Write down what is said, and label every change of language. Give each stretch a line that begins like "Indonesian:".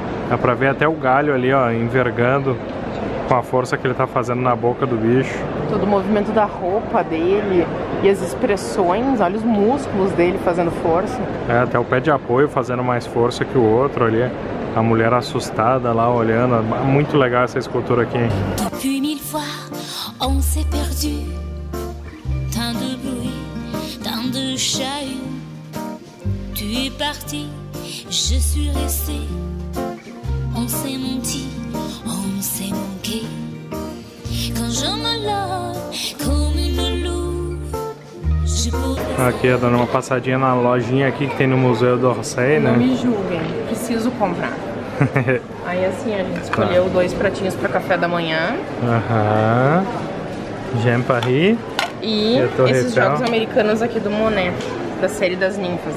Portuguese: Dá pra ver até o galho ali, ó, envergando com a força que ele tá fazendo na boca do bicho. Todo o movimento da roupa dele e as expressões, olha os músculos dele fazendo força. É, até o pé de apoio fazendo mais força que o outro ali. A mulher assustada lá olhando. Muito legal essa escultura aqui, hein?
French: Depuis mille fois, on s'est perdu. Tant de bruit, tant de chahut. Tu es parti, je suis resté. On s'est menti, on s'est manqué. Quand je me love comme une louve, je pourrais...
Portuguese: Aqui, dando uma passadinha na lojinha aqui que tem no Museu d'Orsay, né? Não me julguem, preciso comprar. Aí assim, a gente escolheu claro. Dois pratinhos para café da manhã. Aham. Jean Paris. E esses jogos americanos aqui do Monet, da série das ninfas.